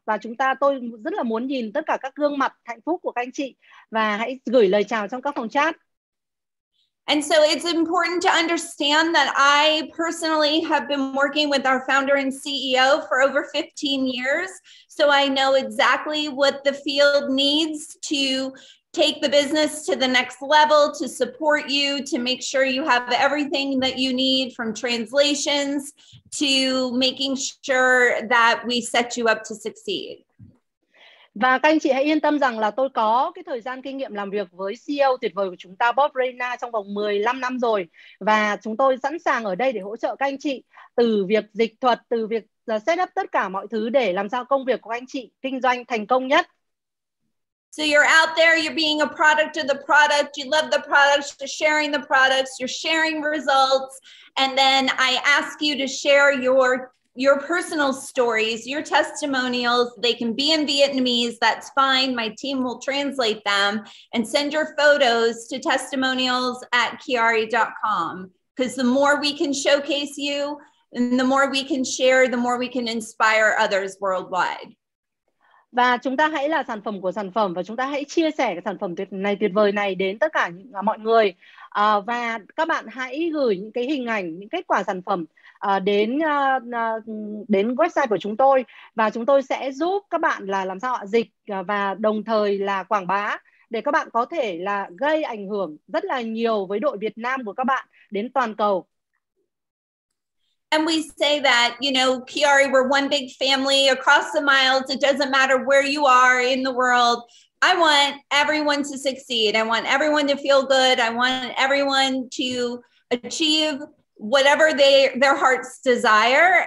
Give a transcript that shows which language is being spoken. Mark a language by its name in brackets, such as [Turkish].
[Vietnamese] Và tôi rất là muốn nhìn tất cả các gương mặt hạnh phúc của các anh chị, và hãy gửi lời chào trong các phòng chat. [English] And so it's important to understand that I personally have been working with our founder and CEO for over 15 years. So I know exactly what the field needs to take the business to the next level, to support you, to make sure you have everything that you need, from translations to making sure that we set you up to succeed. [Vietnamese] Và các anh chị hãy yên tâm rằng là tôi có cái thời gian kinh nghiệm làm việc với CEO tuyệt vời của chúng ta, Bob Reyna, trong vòng 15 năm rồi. Và chúng tôi sẵn sàng ở đây để hỗ trợ các anh chị từ việc dịch thuật, từ việc set up tất cả mọi thứ để làm sao công việc của anh chị kinh doanh thành công nhất. [English] So you're out there, you're being a product of the product, you love the products, you're sharing the products, you're sharing results, and then I ask you to share your personal stories, your testimonials. They can be in Vietnamese, that's fine. My team will translate them and send your photos to testimonials@kiari.com. Because the more we can showcase you and the more we can share, the more we can inspire others worldwide. [Vietnamese] Và chúng ta hãy là sản phẩm của sản phẩm, và chúng ta hãy chia sẻ cái sản phẩm tuyệt vời này đến tất cả mọi người. Và các bạn hãy gửi những cái hình ảnh, những kết quả sản phẩm đến website của chúng tôi, và chúng tôi sẽ giúp các bạn là làm sao dịch và đồng thời là quảng bá để các bạn có thể là gây ảnh hưởng rất là nhiều với đội Việt Nam của các bạn đến toàn cầu. [English] And we say that, you know, Kiari, we're one big family across the miles. It doesn't matter where you are in the world. I want everyone to succeed. I want everyone to feel good. I want everyone to achieve whatever their hearts desire.